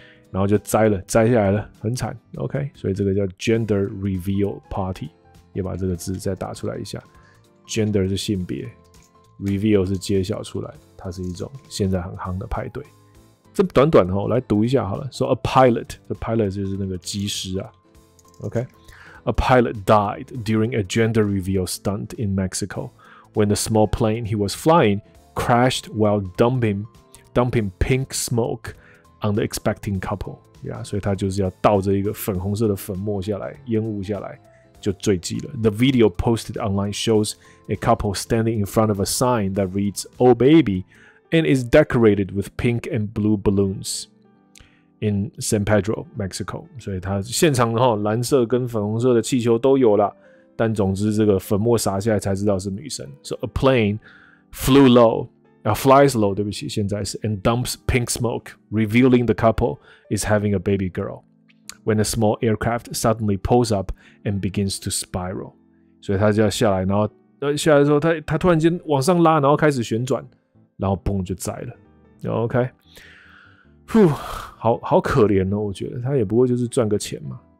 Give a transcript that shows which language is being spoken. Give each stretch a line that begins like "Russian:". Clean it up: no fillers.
Chinese: 然后就摘下来了，很惨 ，OK。所以这个叫 gender reveal party， 也把这个字再打出来一下。 gender 是性别 ，reveal 是揭晓出来，它是一种现在很夯的派对。这短短的，我来读一下好了。说 a pilot， 这 pilot 就是那个机师啊 ，OK。
English: A pilot died during a gender reveal stunt in Mexico when the small plane he was flying crashed while dumping pink smoke。 On the expecting couple， yeah，
Chinese: 所以他就是要倒着一个粉红色的粉末下来，烟雾下来就坠机了。
English: The video posted online shows a couple standing in front of a sign that reads "Oh baby" and is decorated with pink and blue balloons in San Pedro, Mexico。
Chinese: 所以他现场哈，蓝色跟粉红色的气球都有了，但总之这个粉末撒下来才知道是女生。
English: So a plane flew low。 Flies low，
Chinese: 对不起，现在是
English: and dumps pink smoke, revealing the couple is having a baby girl. When a small aircraft suddenly pulls up and begins to spiral，
Chinese: 所以他就要下来，然后下来的时候他突然间往上拉，然后开始旋转，然后嘣就栽了。 OK， 呼，好可怜哦，我觉得他也不过就是赚个钱嘛。